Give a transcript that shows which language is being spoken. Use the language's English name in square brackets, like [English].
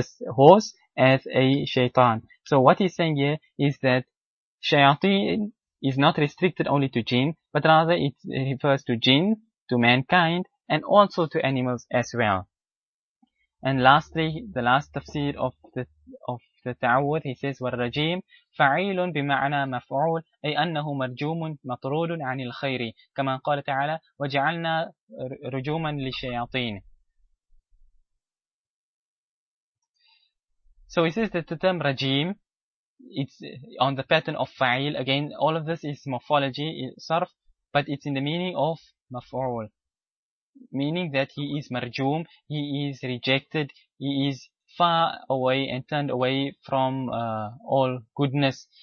[English] horse as a shaitan. So what he's saying here is that shayateen is not restricted only to jinn, but rather it refers to jinn, to mankind, and also to animals as well. And lastly, the last tafsir of the ta'awud, he says, [Arabic] والرجيم فعيل بمعنى مفعول أي أنه مرجوم مطرود عن الخير كما قال تعالى وجعلنا رجوما للشياطين. [English] So he says that the term رجيم, it's on the pattern of فعيل. Again, all of this is morphology, صرف, but it's in the meaning of مفعول, meaning that he is مرجوم, he is rejected, he is far away and turned away from all goodness.